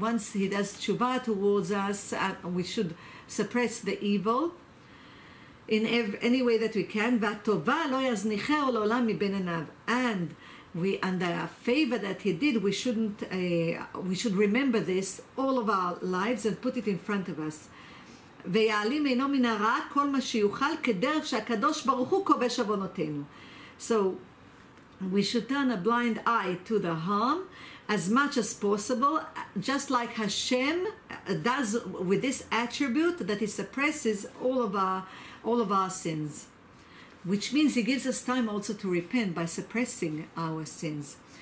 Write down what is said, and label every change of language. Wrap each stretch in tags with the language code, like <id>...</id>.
<en>Once he does tshuva towards us, we should suppress the evil in any way that we can.</en> <he>Vatova lo yaznicheu l'olam miben enav.</he> <en>And we, and the favor that he did, we should remember this all of our lives and put it in front of us.</en> <he>ויעלים אינו מן הרע כל מה שיוכל כדרך שהקדוש ברוך הוא כובש אבונותינו.</he> <en>So we should turn a blind eye to the harm as much as possible, just like Hashem does with this attribute that he suppresses all of our sins, which means he gives us time also to repent by suppressing our sins.</en>